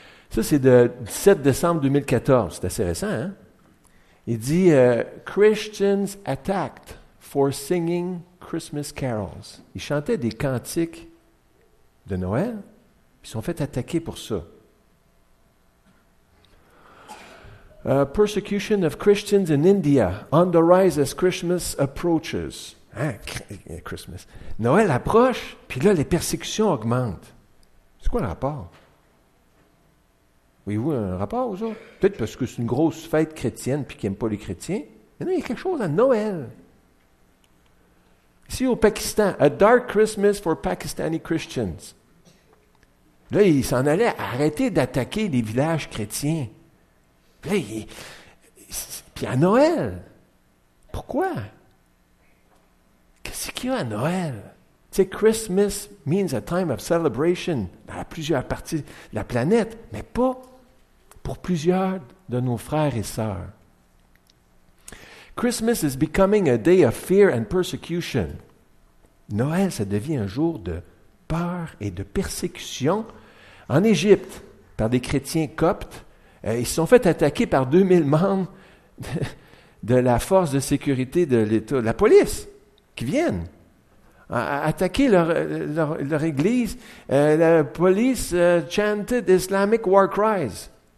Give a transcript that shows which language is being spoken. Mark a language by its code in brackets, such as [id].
[fr] Ça, c'est de 17 décembre 2014. C'est assez récent, hein? Il dit « [en] Christians attacked for singing Christmas carols ». [fr] Ils chantaient des cantiques de Noël, puis ils sont fait attaquer pour ça. [en] Persecution of Christians in India on the rise as Christmas approaches. [fr] Hein, Christmas. Noël approche, puis là, les persécutions augmentent. C'est quoi le rapport? Voyez-vous un rapport aux autres? Peut-être parce que c'est une grosse fête chrétienne, puis qu'ils n'aiment pas les chrétiens. Mais non, il y a quelque chose à Noël. Ici au Pakistan, [en] a dark Christmas for Pakistani Christians. [fr] Là, ils s'en allaient arrêter d'attaquer les villages chrétiens. Puis à Noël, pourquoi? Qu'est-ce qu'il y a à Noël? Tu sais, [en] Christmas means a time of celebration [fr] dans plusieurs parties de la planète, mais pas pour plusieurs de nos frères et sœurs. [en] Christmas is becoming a day of fear and persecution. [fr] Noël, ça devient un jour de peur et de persécution. En Égypte, par des chrétiens coptes, ils se sont fait attaquer par 2000 membres de la force de sécurité de l'État, de la police, qui viennent attaquer leur église. [en] La police chanted Islamic war cries.